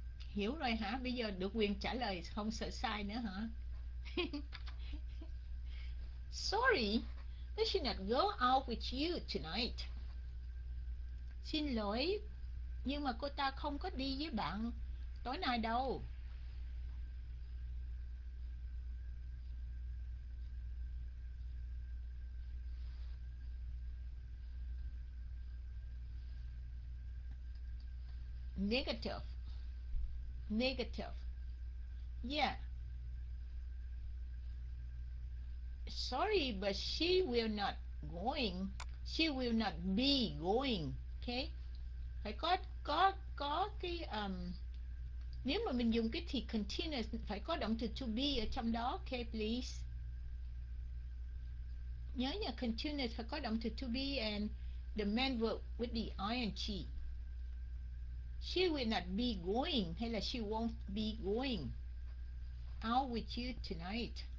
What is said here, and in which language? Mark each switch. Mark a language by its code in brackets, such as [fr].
[vi] Hiểu rồi hả? Bây giờ được quyền trả lời không sợ sai nữa hả? [en] Sorry, I should not go out with you tonight. [vi] Xin lỗi, nhưng mà cô ta không có đi với bạn tối nay đâu. [en] Negative. Negative. Yeah. Sorry, but she will not going. She will not be going. Okay. [vi] Phải có cái nếu mà mình dùng cái thì continuous phải có động từ to be ở trong đó. [en] Okay, please. [vi] Nhớ nhà continuous phải có động từ to be [en] and the main verb with the ing. She will not be going, [vi] hay là [en] she won't be going out with you tonight.